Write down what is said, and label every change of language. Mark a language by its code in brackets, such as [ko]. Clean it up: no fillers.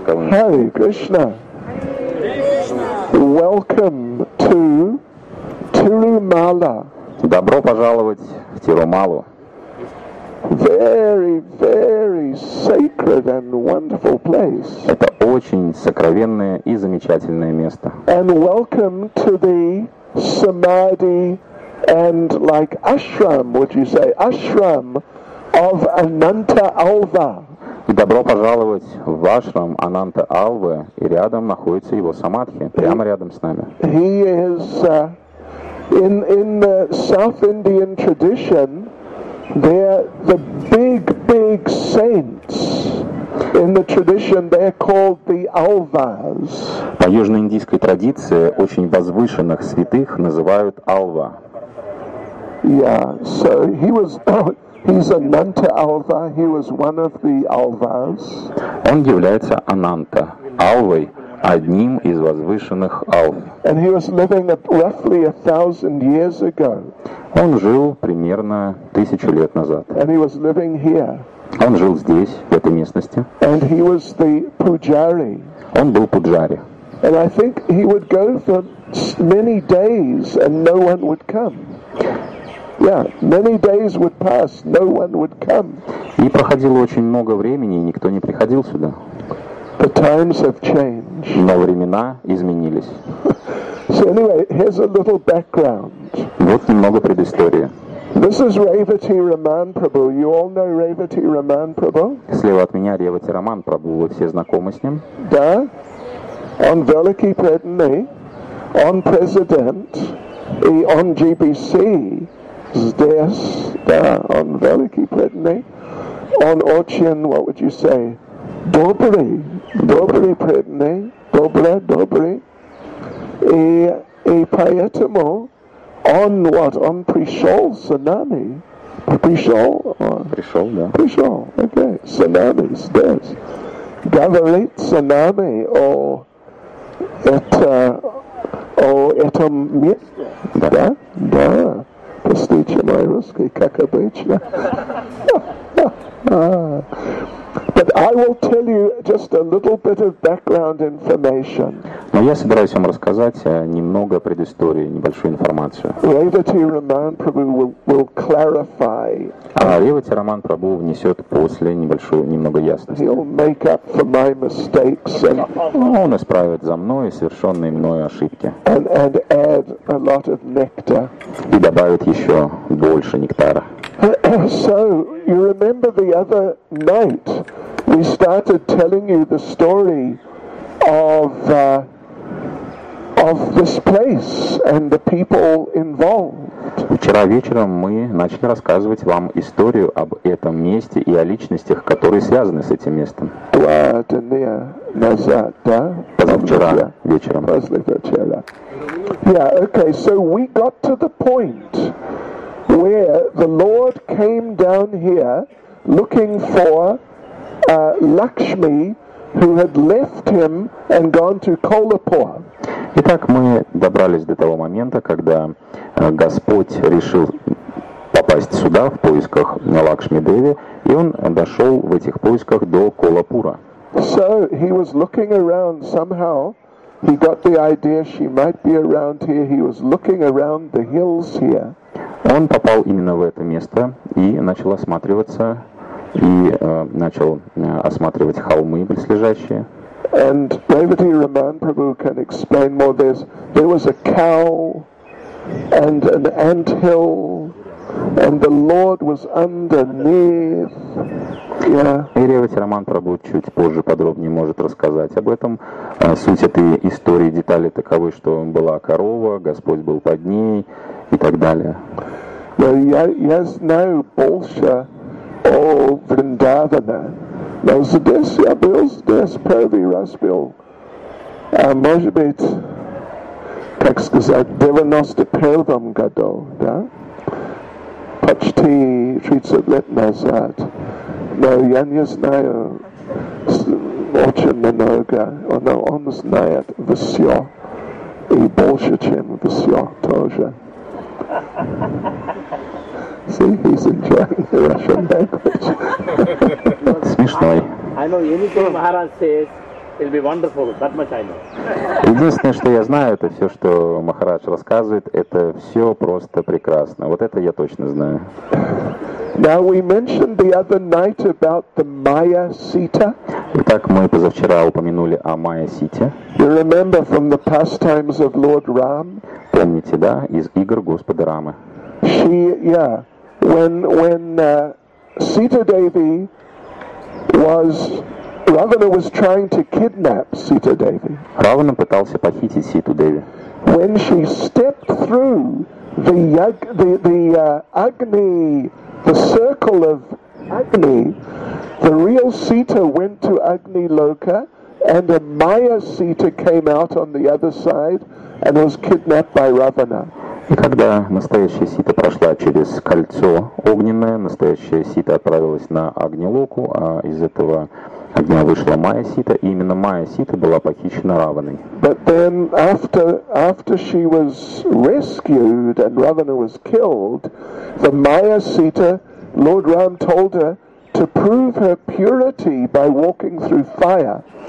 [en] Hare Krishna. Welcome to Tirumala. [ru] Добро пожаловать в Тирумалу. [en] Very, very sacred and wonderful place. [ru] Это очень сокровенное и замечательное место. [en] And welcome to the samadhi and like ashram, would you say, ashram of Ananta Alva. [ru] И добро пожаловать в ашрам Ананта Алвы, и рядом находится его самадхи, прямо рядом с нами. [en] He is in the South Indian tradition. They're the big, big saints in the tradition. They're called the Alvas. [ru] По южноиндийской традиции очень возвышенных святых называют Алва. [en] Yeah, so he was, he's Ananta Alva. He was one of the Alvas. [ru] Он является Ананта Алвой, одним из возвышенных Алв. [en] And he was living at roughly 1,000 years ago. [ru] Он жил примерно 1000 лет назад. [en] And he was living here. [ru] Он жил здесь, в этой местности. [en] And he was the pujari. [ru] Он был пуджари. [en] And I think he would go for many days and no one would come. Yeah, many days would pass, no one would come. [ru] И проходило очень много времени, и никто не приходил сюда. [en] The times have changed. [ru] Но времена изменились. [en] So anyway, here's a little background. [ru] Вот немного предыстории. [en] This is Revati Raman Prabhu. You all know Revati Raman Prabhu? [ru] Слева от меня Ревати Раман Прабху. Вы все знакомы с ним? Да. Он великий преданный. Он президент. И он GBC. Здесь. Да. Он великий преданный. Он очень, [en] what would you say? [ru] Добрый. Добрый преданный. Добрый, добрый. И поэтому он вот, он пришел с нами. Пришел? Пришел, да. Пришел, окей. С нами, здесь. Говорит с нами о этом месте. Да? Да. Да. Простите мой русский, как обычно. [en] But I will tell you just a little bit of background information. [ru] Но я собираюсь вам рассказать немного предыстории, небольшую информацию. [en] Revati Raman Prabhu will clarify. [ru] А Revati Raman Prabhu внесет после небольшую немного ясности. [en] He'll make up for my mistakes. [ru] Он исправит за мной совершенные мною ошибки. [en] And add a lot of nectar. [ru] И добавит еще больше нектара. [en] So you remember the other night we started telling you the story of this place and the people involved. [ru] Вчера вечером мы начали рассказывать вам историю об этом месте и о личностях, которые связаны с этим местом. Два дня назад, да? Позавчера вечером. Позавчера. [en] Yeah, okay. So we got to the point where the Lord came down here looking for Lakshmi, who had left him and gone to Kolhapur. [ru] Итак, мы добрались до того момента, когда Господь решил попасть сюда в поисках Лакшми Деви, и он дошел в этих поисках до Колхапура. [en] So he was looking around somehow. He got the idea she might be around here. He was looking around the hills here. Он попал именно в это место и начал осматриваться, осматривать холмы близлежащие. And Revati Raman Prabhu can explain more. There was a cow and an ant hill, and the Lord was underneath. Yeah. [ru] И Ревати Раман Прабху чуть позже подробнее может рассказать об этом. Суть этой истории, детали таковы, что была корова, Господь был под ней и так далее. Но я знаю больше о Вриндаване. Но здесь я был, здесь первый раз был. А может быть, как сказать, в 91-м году, да? Почти 30 лет назад. Но я не знаю очень много, но он знает все. и больше, чем все тоже. [en] See, he's enjoying the Russian language. [ru] Смешной. [en] I know anything Maharaj says, it'll be wonderful, that much I know. [ru] Единственное, что я знаю, это все, что Махарадж рассказывает, это все просто прекрасно. Вот это я точно знаю. [en] Now we mentioned the other night about the Maya Sita. [ru] Итак, мы позавчера упомянули о Maya Sita. [en] You remember from the pastimes of Lord Ram? [ru] Помните, да, из игр Господа Рамы. [en] She, yeah, when Sita Devi was Ravana was trying to kidnap Sita Devi. [ru] Равана пытался похитить Ситу Деви. [en] When she stepped through the Agni. The circle of Agni, the real Sita went to Agni Loka, and a Maya Sita came out on the other side and was kidnapped by Ravana. [ru] И когда настоящая Сита прошла через кольцо огненное, настоящая Сита отправилась на Агни Локу, а из этого огня вышла Майя Сита, и именно Майя Сита была похищена Раваной. [en] But then after she was rescued and Ravana was killed, the Maya Sita, Lord Ram told her to prove her purity by walking through fire.